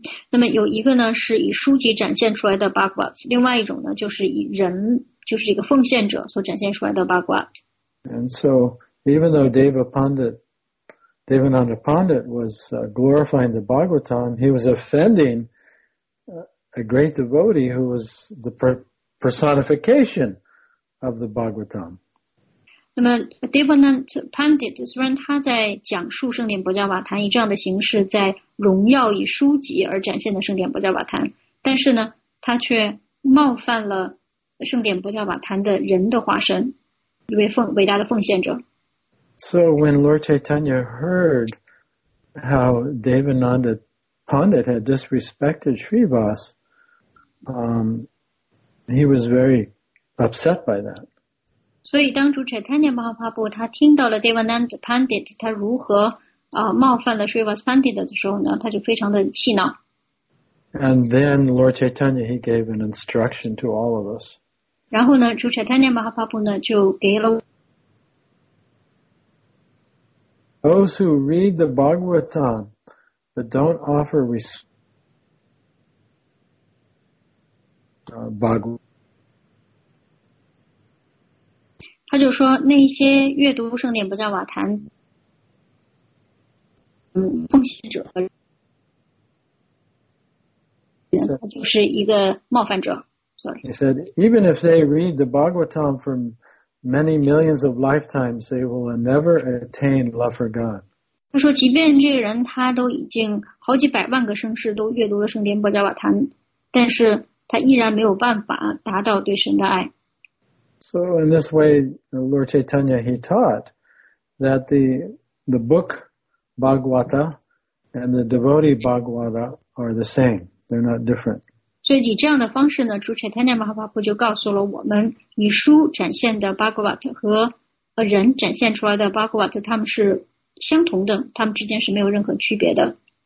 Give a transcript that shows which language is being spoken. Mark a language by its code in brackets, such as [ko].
[zh] 那么有一个呢是以书籍展现出来的 Bhagavat, 另外一种呢就是以人就是这个奉献者所展现出来的 Bhagavat. [en] And so, even though Devananda Pandit was glorifying the Bhagavatam, he was offending a great devotee who was the personification of the Bhagavatam. [zh] 那么 Devananda Pandit 虽然他在讲述圣典不加瓦坛以这样的形式在荣耀以书籍而展现的圣典不加瓦坛但是呢他却冒犯了圣典不加瓦坛的人的化身一位伟大的奉献者。 [en] So when Lord Chaitanya heard how Devananda Pandit had disrespected Srivas, He was very upset by that. [zh] 所以当主 Chaitanya Mahaprabhu 他听到了 Devananda Pandit 他如何冒犯了 Srivas Pandit 的时候呢他就非常的气恼。 [en] And then Lord Chaitanya, he gave an instruction to all of us. [zh] 然后呢主 Chaitanya Mahaprabhu 呢就给了 [en] Those who read the Bhagavatam but don't offer Bhagavatam. [zh] 他就说那些阅读圣典不在瓦坛奉献者和就是一个冒犯者 sorry. [en] He said, even if they read the Bhagavatam for many millions of lifetimes, they will never attain love for God. [zh] 他说即便这个人他都已经好几百万个生世都阅读了圣典波迦瓦坛但是他依然没有办法达到对神的爱。 [en] So in this way, Lord Chaitanya, he taught that the book Bhagavata and the devotee Bhagavata are the same. They're not different. [zh] 所以以这样的方式呢主 Chaitanya Mahaprabhu 就告诉了我们以书展现的 Bhagavata 和人展现出来的 Bhagavata 他们是相同的他们之间是没有任何区别的。